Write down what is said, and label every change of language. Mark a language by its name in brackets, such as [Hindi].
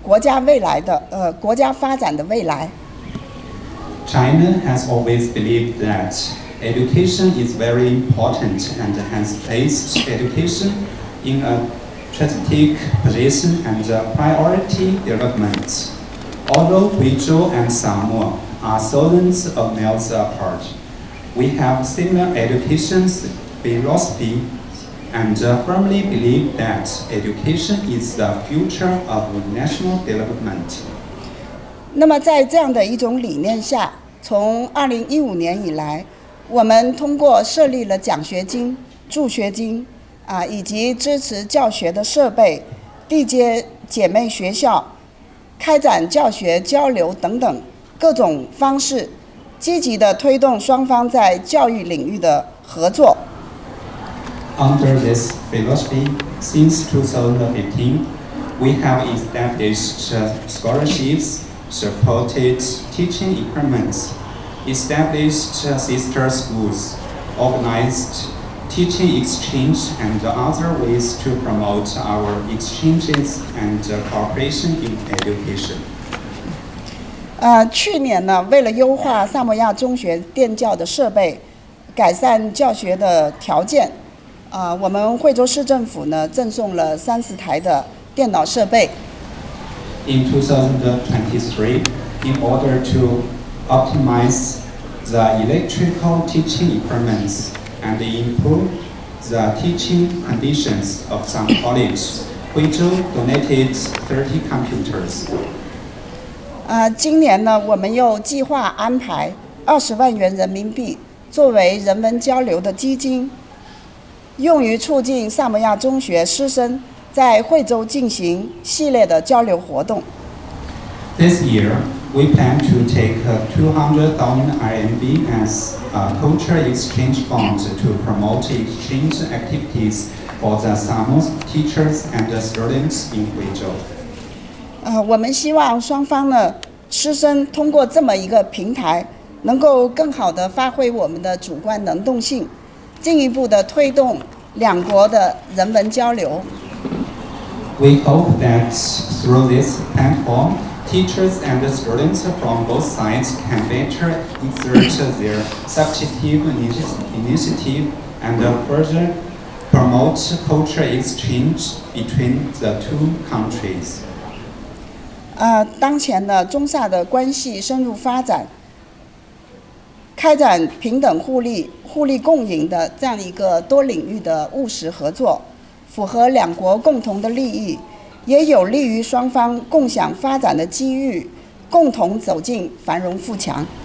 [Chinese] 坚信教育就是国家未来的国家发展的未来。 [English] China has always believed that education is very important and has placed education in a strategic position and a priority development. Although Huizhou and Samoa are thousands of miles apart, we have similar education philosophy and firmly believe that education is the future of national development. [Chinese] 那么在这样的一种理念下, 从2015年以来, 我们通过设立了奖学金, 助学金, 啊, 以及支持教学的设备, 缔结姐妹学校, 开展教学交流等等各种方式, 积极地推动双方在教育领域的合作。 [English] Under this philosophy, since 2015, we have established scholarships, supported teaching equipments, established sister schools, organized teaching exchange and other ways to promote our exchanges and cooperation in education. [Chinese] 去年呢, 为了优化萨摩亚中学电教的设备, 改善教学的条件, 我们惠州市政府呢, 赠送了34台的电脑设备。 [English] In 2023, in order to optimize the electrical teaching equipment and improve the teaching conditions of some colleagues, Huizhou donated 30 computers. [Chinese] 今年呢, 我们又计划安排20万元人民币 作为人文交流的基金, 用于促进萨摩亚中学师生在惠州进行系列的交流活动。 [English] This year, we plan to take 200,000 RMB as a culture exchange fund to promote exchange activities for the Samoa teachers and the students in Huizhou. [Chinese] 我们希望双方呢, 师生通过这么一个平台, 能够更好地发挥我们的主观能动性, 进一步地推动 两国的人文交流。 [English] We hope that through this platform, teachers and students from both sides can better exert their substantive initiative and further promote cultural exchange between the two countries. [Chinese] 当前呢, 中萨的关系深入发展, 开展平等互利, 互利共赢的这样一个多领域的务实合作，符合两国共同的利益，也有利于双方共享发展的机遇，共同走进繁荣富强。